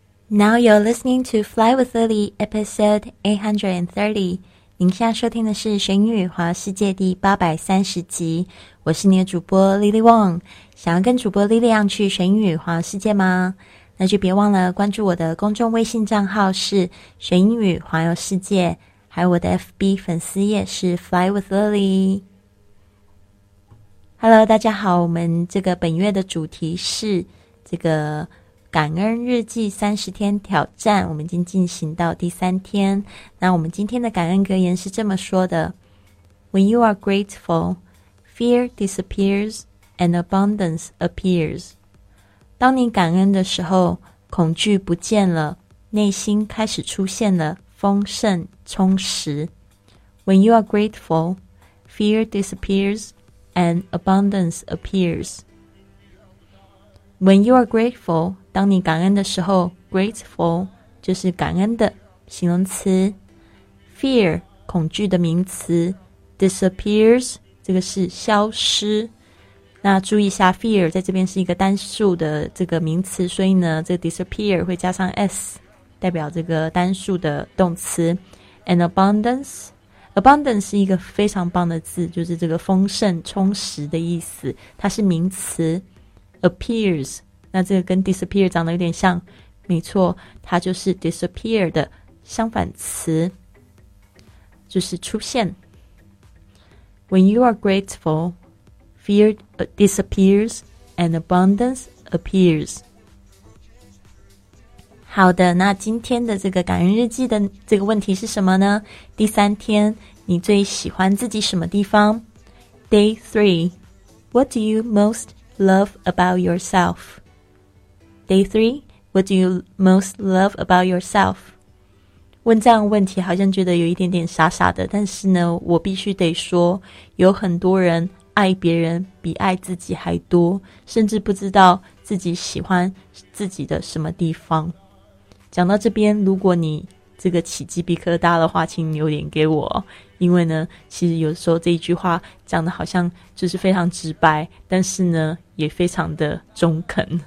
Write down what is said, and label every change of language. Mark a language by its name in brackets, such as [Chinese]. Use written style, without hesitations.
[English] Now you're listening to Fly with Lily, episode 830. [Chinese] 您现在收听的是《学英语环游世界》第830集。我是你的主播 Lily Wong。想要跟主播 Lily 一样去学英语环游世界吗？那就别忘了关注我的公众微信账号是《学英语环游世界》，还有我的 FB 粉丝页是 Fly with Lily。 Hello， 大家好，我们这个本月的主题是这个感恩日记30天挑战，我们已经进行到第三天。那我们今天的感恩格言是这么说的： [English] When you are grateful, fear disappears and abundance appears. [Chinese] 当你感恩的时候，恐惧不见了，内心开始出现了丰盛充实。 [English] When you are grateful, fear disappears and abundance appears. When you are grateful, [Chinese] 当你感恩的时候 grateful 就是感恩的形容词， fear 恐惧的名词， disappears 这个是消失。那注意一下 fear 在这边是一个单数的这个名词，所以呢这个 disappear 会加上 s 代表这个单数的动词。 [English] and abundance， [Chinese] abundance 是一个非常棒的字，就是这个丰盛充实的意思，它是名词。 appears，那这个跟 disappear 长得有点像，没错，它就是 disappear 的相反词，就是出现。 [English] When you are grateful, fear disappears and abundance appears. [Chinese] 好的，那今天的这个感恩日记的这个问题是什么呢？第三天，你最喜欢自己什么地方？ [English] Day 3, what do you most love about yourself? Day 3, what do you most love about yourself? [Chinese] 问这样的问题好像觉得有一点点傻傻的，但是呢，我必须得说，有很多人爱别人比爱自己还多，甚至不知道自己喜欢自己的什么地方。讲到这边，如果你这个起鸡皮疙瘩的话，请留言给我，因为呢，其实有时候这一句话讲的好像就是非常直白，但是呢，也非常的中肯。